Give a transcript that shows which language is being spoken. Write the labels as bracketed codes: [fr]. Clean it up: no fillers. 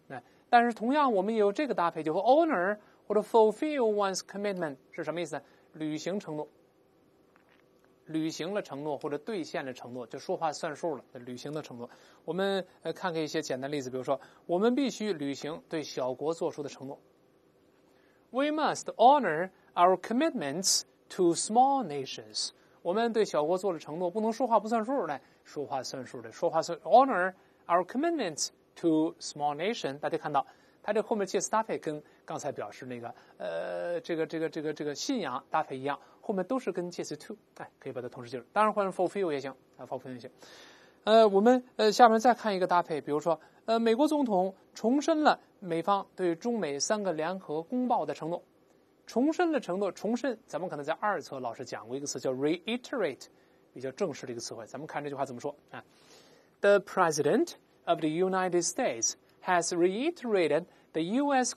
[zh] 哎，但是同样我们也有这个搭配，就和 honor 或者 [en] fulfill one's commitment [zh] 是什么意思呢？履行承诺，履行了承诺或者兑现了承诺，就说话算数了，履行的承诺。我们看看一些简单例子，比如说我们必须履行对小国做出的承诺。 [en] We must honor our commitments to small nations. [zh] 我们对小国做了承诺，不能说话不算数的，说话算数的，说话算 [en] honor our commitments to small nation。 [zh] 大家看到它这后面介词搭配跟刚才表示那个这个信仰搭配一样，后面都是跟介词 to， 哎，可以把它同时记住。当然换成 fulfill 也行啊 ，fulfill 也行。我们下面再看一个搭配，比如说美国总统重申了美方对中美三个联合公报的承诺，重申了承诺，重申。咱们可能在二册老师讲过一个词叫 reiterate， 比较正式的一个词汇。咱们看这句话怎么说啊 [en] ？The President of the United States has reiterated the U.S.